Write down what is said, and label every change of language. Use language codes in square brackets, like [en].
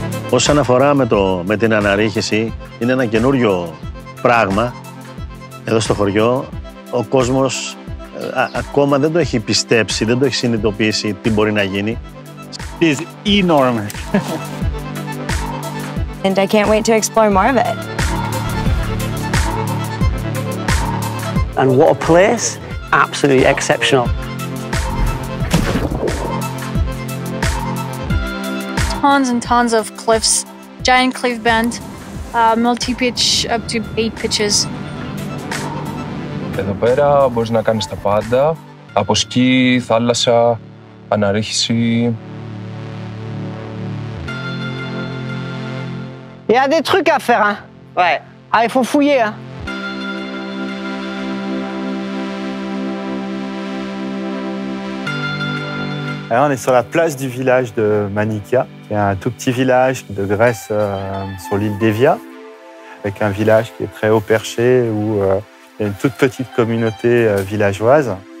[el] Όσον αφορά με την αναρρίχηση, είναι ένα καινούριο πράγμα εδώ στο χωριό. Ο κόσμος ακόμα δεν το έχει πιστέψει, δεν το έχει συνειδητοποιήσει τι μπορεί να γίνει. [en] It's enormous. And I can't wait to explore more of it. And what a place, absolutely exceptional. Tons and tons of cliffs, giant cliff bend, multi-pitch up to 8 pitches. [el] Εδώ πέρα μπορείς να κάνεις τα πάντα, από σκι, θάλασσα, αναρρίχηση. [fr] Il y a des trucs à faire, hein. Ouais. Ah, il faut fouiller, hein. Alors, on est sur la place du village de Manikia, qui est un tout petit village de Grèce sur l'île d'Evia, avec un village qui est très haut perché où il y a une toute petite communauté villageoise.